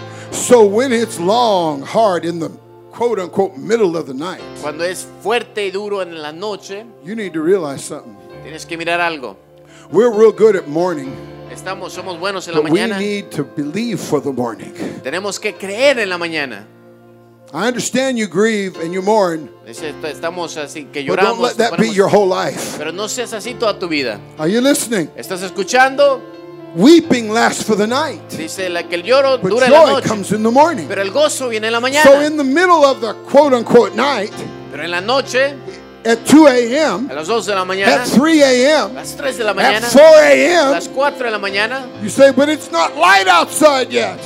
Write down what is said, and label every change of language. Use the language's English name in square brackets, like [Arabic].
[English] So when it's long, hard in the quote-unquote middle of the night. [Spanish] Cuando es fuerte y duro en la noche, [English] you need to realize something. [Spanish] Tienes que mirar algo. [English] We're real good at morning. [Spanish] Estamos, somos buenos en [English] but [Spanish] la mañana. [English] We need to believe for the morning. [Spanish] Tenemos que creer en la mañana. [English] I understand you grieve and you mourn. [Spanish] Estamos así, que lloramos, [English] but don't let that be your whole life. [Spanish] Pero no seas así toda tu vida. [English] Are you listening? [Spanish] ¿Estás escuchando? [English] Weeping lasts for the night. [Spanish] Dice la que el lloro dura [English] joy [Spanish] la noche. [English] Comes in the morning. [Spanish] Pero el gozo viene en la mañana. [English] So in the middle of the quote unquote night. [Spanish] Pero en la noche. [English] At 2 a.m. [Spanish] A las 2 de la mañana. [English] At 3 a.m. [Spanish] Las 3 de la mañana. [English] At 4 a.m. [Spanish] Las 4 de la mañana. [English] You say, but it's not light outside yet.